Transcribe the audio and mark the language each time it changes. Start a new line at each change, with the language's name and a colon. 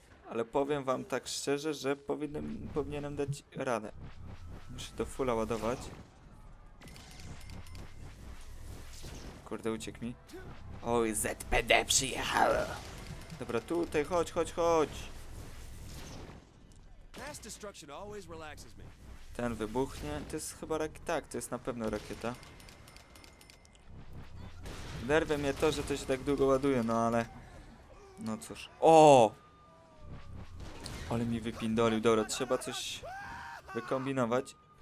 Polish: Ale powiem wam tak szczerze, że powinienem dać ranę. Muszę to fulla ładować. Kurde, uciekł mi. Oj, ZPD przyjechało. Dobra, tutaj chodź, chodź, chodź.
English: Past destruction always relaxes me.
Polish: Ten wybuchnie. To jest chyba rakieta. Tak, to jest na pewno rakieta. Nerwia mnie to, że to się tak długo ładuje, no ale... No cóż. O! Ale mi wypindolił. Dobra, trzeba coś wykombinować.